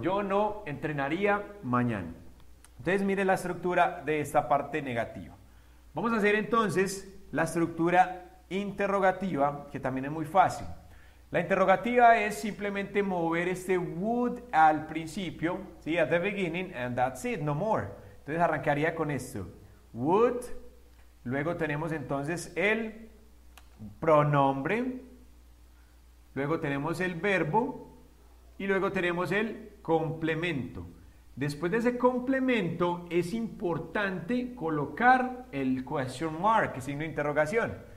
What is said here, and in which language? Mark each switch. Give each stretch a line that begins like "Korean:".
Spanish: Yo no entrenaría mañana. Entonces, mire la estructura de esta parte negativa. Vamos a hacer entonces la estructura interrogativa, que también es muy fácil. La interrogativa es simplemente mover este would al principio, ¿sí?
English: At the beginning, and that's it, no more.
Spanish: Entonces, arrancaría con esto. Would. Luego tenemos entonces el pronombre. Luego tenemos el verbo. Y luego tenemos el complemento. Después de ese complemento, es importante colocar el question mark, el signo de interrogación.